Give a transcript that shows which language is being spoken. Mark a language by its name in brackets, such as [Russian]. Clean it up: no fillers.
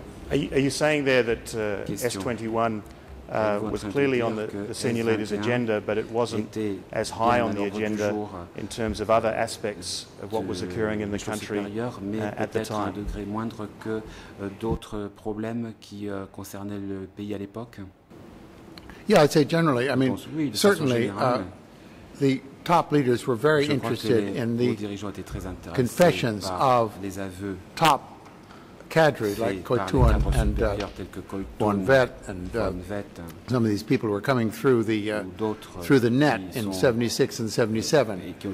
[English] Are you saying there that S21 was clearly on the senior leader's agenda, but it wasn't as high on the agenda in terms of other aspects of what was occurring in the country at the time? [French] Un degré moindre que d'autres problèmes qui concernaient le pays à l'époque. [English] Yeah, I'd say generally. I mean, certainly, the top leaders were very interested in the confessions of top cadre, like Koytoun and Bonvet, and some of these people were coming through the net in 76 and 77.